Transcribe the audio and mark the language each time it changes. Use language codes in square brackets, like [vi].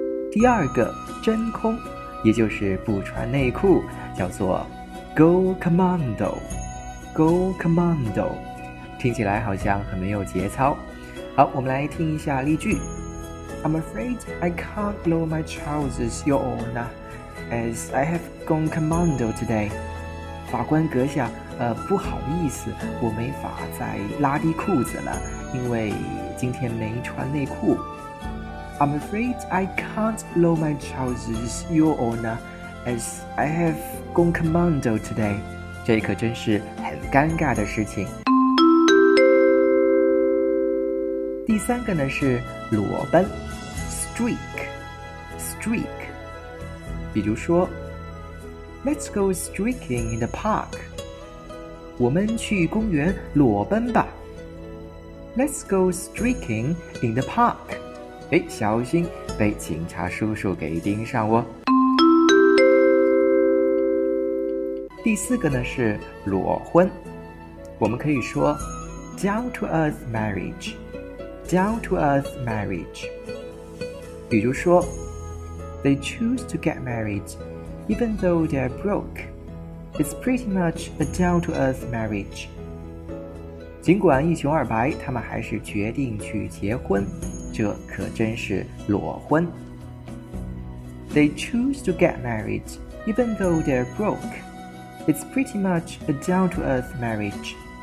[zh] 第二个真空，也就是不穿内裤，叫做 [en] go commando, go commando。 [zh] 听起来好像很没有节操。好，我们来听一下例句。 [en] I'm afraid I can't lower my trousers, Your Honor, as I have gone commando today. [zh] 法官阁下，不好意思，我没法再拉低裤子了，因为今天没穿内裤。 [en] I'm afraid I can't lower my trousers, Your Honor, as I have gone commando today. [zh] 这可真是很尴尬的事情。第三个呢是裸奔 streak, streak。比如说 [en] Let's go streaking in the park, [zh] 我们去公园裸奔吧。 [en] Let's go streaking in the park。 [zh] 哎，小心被警察叔叔给盯上哦。第四个呢是裸婚，我们可以说 [en] down to earth marriageDown to earth marriage. [zh] 比如说 [en] They choose to get married even though they're broke. It's pretty much a down to earth marriage. [zh] 尽管一穷二白，他们还是决定去结婚，这可真是裸婚。 [en] They choose to get married even though they're broke. It's pretty much a down to earth marriage.